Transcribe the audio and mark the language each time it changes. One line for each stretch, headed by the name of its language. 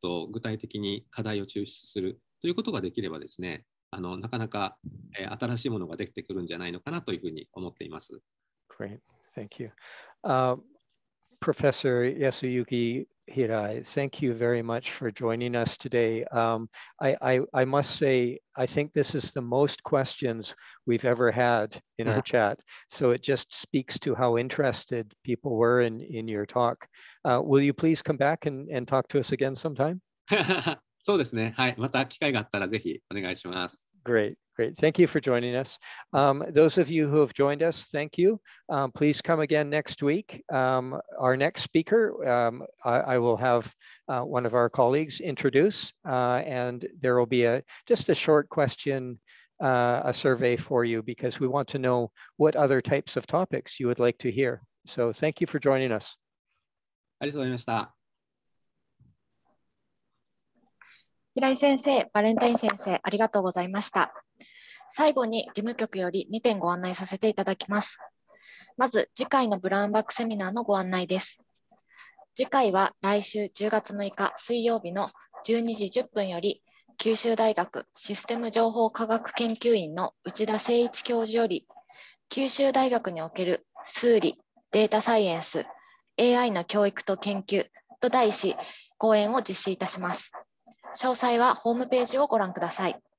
Japanese: 具体的に課題を抽出するということができればですね、あのなかなか、新しいものができてくるんじゃないのかなというふうに思っています。
English: Great. Thank you. Professor Yasuyuki Hirai, thank you very much for joining us today. I must say, I think this is the most questions we've ever had in our chat. So it just speaks to how interested people were in your talk. Will you please come back and talk to us again sometime?
Japanese: そうですね。はい。また機会があったらぜひお願いします。
English: Great. Great. Thank you for joining us. Those of you who have joined us, thank you. Please come again next week. Our next speaker, I will have one of our colleagues introduce, and there will be just a short question, a survey for you, because we want to know what other types of topics you would like to hear. So thank you for joining us.
Japanese: ありがとうございました。平井先生、バレンタイン先生、ありがとうございました。最後に事務局より2点ご案内させていただきます。まず次回のブラウンバックセミナーのご案内です。次回は来週10月6日水曜日の12時10分より、九州大学システム情報科学研究員の内田誠一教授より、九州大学における数理、データサイエンス、AI の教育と研究と題し講演を実施いたします。詳細はホームページをご覧ください。